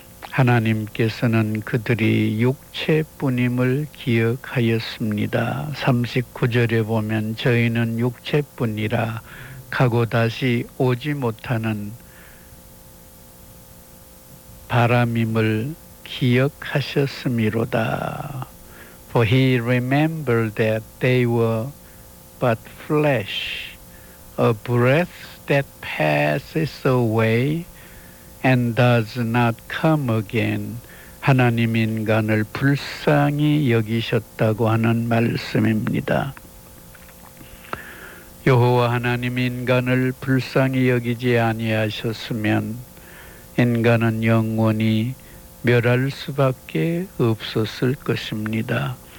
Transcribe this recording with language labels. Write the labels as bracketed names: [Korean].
[Korean] 하나님께서는 그들이 육체뿐임을 기억하였습니다. 39절에 보면 저희는 육체뿐이라 가고 다시 오지 못하는 바람임을 기억하셨음이로다. [English] For he remembered that they were but flesh, a breath that passes away and does not come again. [Korean] 하나님 인간을 불쌍히 여기셨다고 하는 말씀입니다. 여호와 하나님 인간을 불쌍히 여기지 아니하셨으면 인간은 영원히 멸할 수밖에 없었을 것입니다.